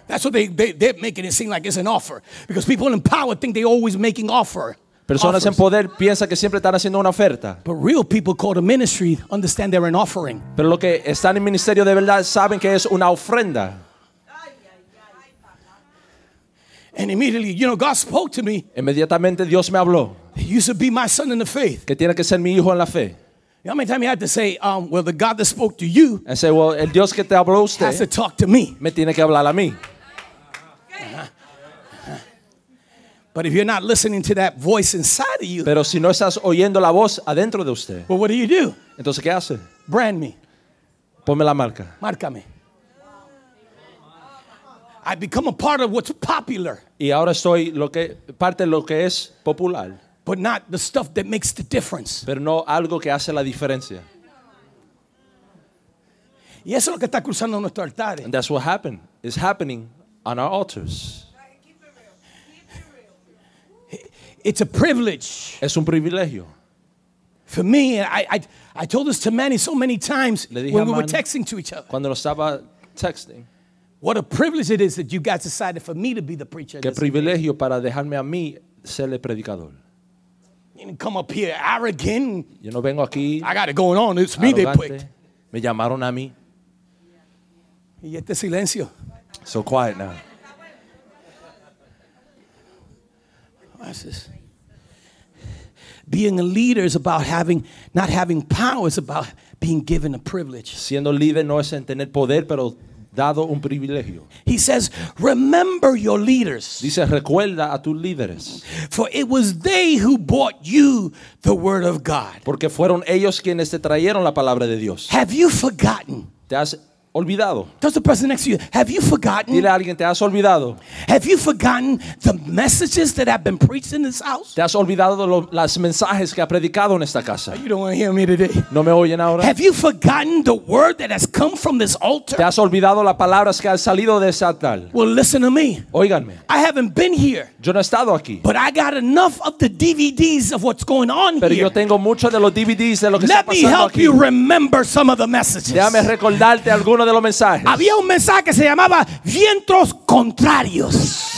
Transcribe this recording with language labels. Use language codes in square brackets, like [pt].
[en] That's what they're making it seem like it's an offer. Because people in power think they're always making offer. [es] Personas en poder piensan que siempre están haciendo una oferta. [en] But real people called a ministry understand they're an offering. [es] Pero lo que están en ministerio de verdad saben que es una ofrenda. [en] And immediately, you know, God spoke to me. [es] Inmediatamente Dios me habló. [en] You should be my son in the faith. [es] Que tiene que ser mi hijo en la fe. [en] You know how many times you had to say, well, the God that spoke to you. I said, well, [es] el Dios que te habló usted. [en] Has to talk to me. [es] Me tiene que hablar a mí. [en] But if you're not listening to that voice inside of you. [es] Pero si no estás oyendo la voz adentro de usted. [en] Well, what do you do? [es] Entonces, ¿qué hace? [en] Brand me. [es] Ponme la marca. Márcame. [en] I become a part of what's popular. [es] Y ahora soy lo que parte de lo que es popular. [en] But not the stuff that makes the difference. [es] Pero no algo que hace la diferencia. Y eso es lo que está cruzando nuestro altar. [en] And that's what happened. It's happening on our altars. It's a privilege. [es] Es un privilegio. [en] For me, I told this to Manny so many times when we were texting to each other. [es] Cuando lo estaba texting. [en] What a privilege it is that you guys decided for me to be the preacher. [es] Qué privilegio para dejarme a mí ser el predicador. [en] You didn't come up here arrogant. [es] Yo no vengo aquí. [en] I got it going on. It's [es] arrogante. [en] Me they picked. [es] Me llamaron a mí. Y este silencio. [en] So quiet now. What's this? Being a leader is about having, not having power. It's about being given a privilege. [es] Siendo líder no es en tener poder, pero dado un privilegio. [en] He says, remember your leaders. [es] Dice, recuerda a tus líderes. [en] For it was they who brought you the word of God. [es] Porque fueron ellos quienes te trajeron la palabra de Dios. [en] Have you forgotten? [es] ¿Te has olvidado? [en] Does the person next to you, have you forgotten? [es] Dile a alguien, ¿te has olvidado? [en] Have you forgotten the messages that have been preached in this house? [es] ¿Te has olvidado las mensajes que ha predicado en esta casa? [en] You don't want to hear me today. [es] ¿No me oyen ahora? [en] Have you forgotten the word that has come from this altar? [es] ¿Te has olvidado las palabras que han salido de ese altar? [en] Well, listen to me. [es] Óiganme. [en] I haven't been here. [es] Yo no he estado aquí. [en] But I got enough of the DVDs of what's going on [es] pero [en] here. [es] Pero yo tengo mucho de los DVDs de lo que [en] let [es] está pasando aquí. [en] Let me help [es] aquí. [en] You remember some of the messages. [es] Déjame recordarte algunos. De los mensajes. Había un mensaje que se llamaba vientos contrarios.